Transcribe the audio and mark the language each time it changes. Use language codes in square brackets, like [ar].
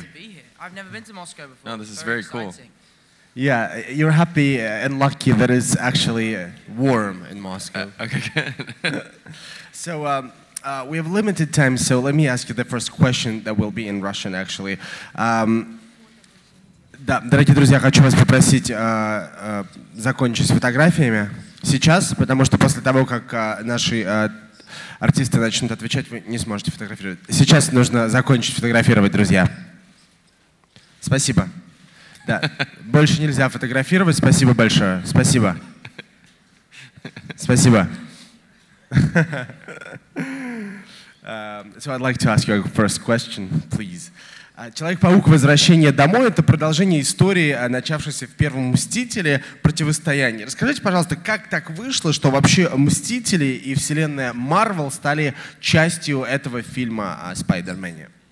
[en] To be here. I've never been to Moscow before. No, this is very cool. Yeah, you're happy and lucky that it's actually warm in Moscow. So we have limited time, so let me ask you the first question that will be in Russian, actually. [ru] Да, дорогие друзья, хочу вас попросить закончить с фотографиями сейчас, потому что после того, как наши артисты начнут отвечать, вы не сможете фотографировать. Сейчас нужно закончить фотографировать, друзья. Спасибо. Да, больше нельзя фотографировать. Спасибо большое. Спасибо. Спасибо. [en] So I'd like to ask you a first question, please. [ru] Человек-паук «Возвращение домой» — это продолжение истории, начавшейся в первом «Мстителе» — противостояние. Расскажите, пожалуйста, как так вышло, что вообще «Мстители» и вселенная Марвел стали частью этого фильма о Спайдермене?